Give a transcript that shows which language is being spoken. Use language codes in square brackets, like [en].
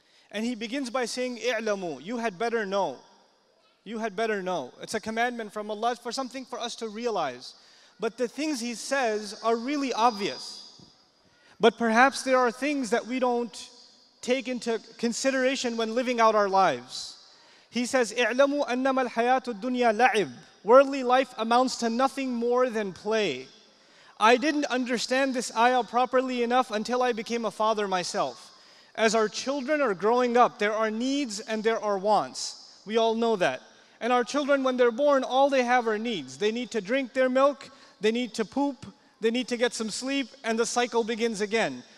[en] And He begins by saying, [ar] اعلموا, [en] you had better know. You had better know. It's a commandment from Allah for something for us to realize. But the things He says are really obvious. But perhaps there are things that we don't take into consideration when living out our lives. He says, [ar] اعلموا أنما الحياة الدنيا لعب. [en] Worldly life amounts to nothing more than play. I didn't understand this ayah properly enough until I became a father myself. As our children are growing up, there are needs and there are wants. We all know that. And our children, when they're born, all they have are needs. They need to drink their milk, they need to poop, they need to get some sleep, and the cycle begins again.